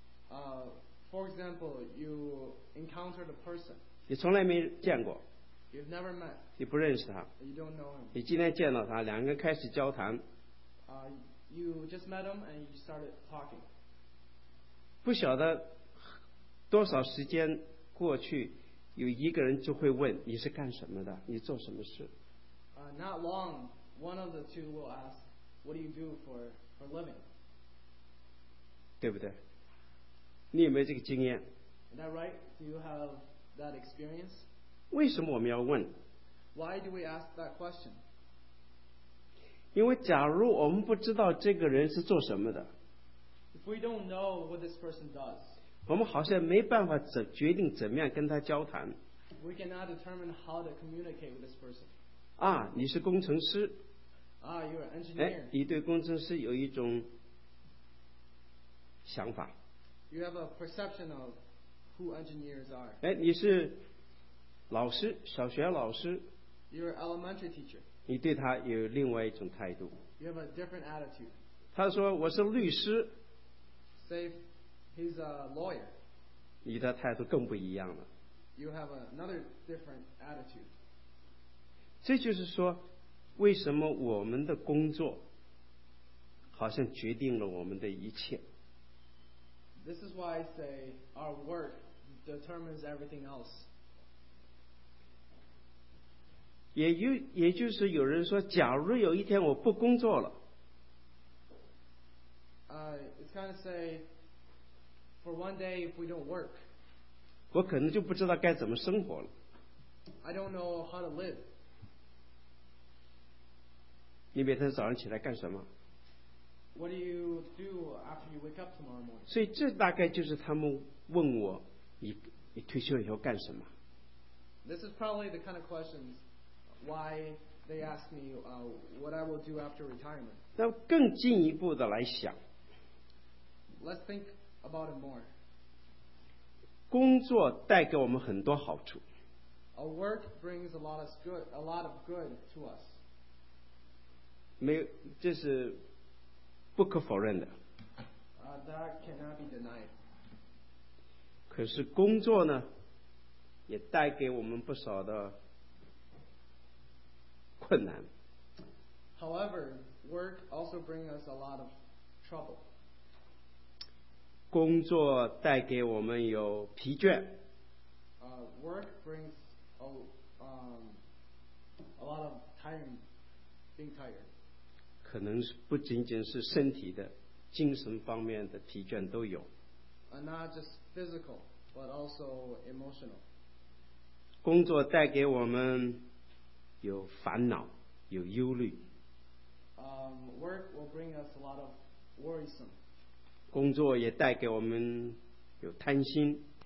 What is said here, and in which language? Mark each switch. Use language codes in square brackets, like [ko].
[en] for example, you encountered a person. [zh] 你从来没见过， [en] you've never met. [zh] 你不认识他， [en] you don't know him. [zh] 你今天见到他，两个人开始交谈。 [en] You just met him and you started talking. [zh] 不晓得多少时间过去，有一个人就会问你是干什么的，你做什么事。 [en] Not long, one of the two will ask, "What do you do for living?" [zh] 对不对？你有没有这个经验？ [en] Is that right? Do you have that experience? [zh] 为什么我们要问？ [en] Why do we ask that question? [zh] 因为假如我们不知道这个人是做什么的， [en] If we don't know what this person does, [zh] 我们好像没办法决定怎么样跟他交谈。 [en] We cannot determine how to communicate with this person. [zh] 啊，你是工程师。 [en] You're an engineer. [zh] 哎，你对工程师有一种想法。 [en] You have a perception of who engineers are. [zh] 哎，你是老师，小学老师。 [en] You're an elementary teacher. [zh] 你对他有另外一种态度。 [en] You have a different attitude. [zh] 他说我是律师。 [en] Say he's a lawyer. [zh] 你的态度更不一样了。 [en] You have another different attitude. [zh] 这就是说，为什么我们的工作好像决定了我们的一切。 [en] This is why I say our work determines everything else. [zh] 也就是有人说，假如有一天我不工作了， [en] it's kind of say, for one day if we don't work, [zh] 我可能就不知道该怎么生活了。 [en] I don't know how to live. [zh] 你每天早上起来干什么？ [en] What do you do after you wake up tomorrow morning? [zh] 所以这大概就是他们问我， 你退休以后干什么？ [en] This is probably the kind of questions. Why they ask me what I will do after retirement. [zh] 那更进一步的来想， [en] Let's think about it more. [zh] 工作带给我们很多好处。 [en] A work brings a lot of good to us. [zh] 没有，这是不可否认的。 [en] That cannot be denied. [zh] 可是工作呢，也带给我们不少的困难。 [en] However, work also brings us a lot of trouble. [zh] 工作带给我们有疲倦。 [en] Work brings a lot of tiring, being tired. [zh] 可能不仅仅是身体的，精神方面的疲倦都有。 [en] Not just physical, but also emotional. [zh] 工作带给我们有烦恼，有忧虑。 [en] Work will bring us a lot of worrisome. [zh] 工作也带给我们有贪心。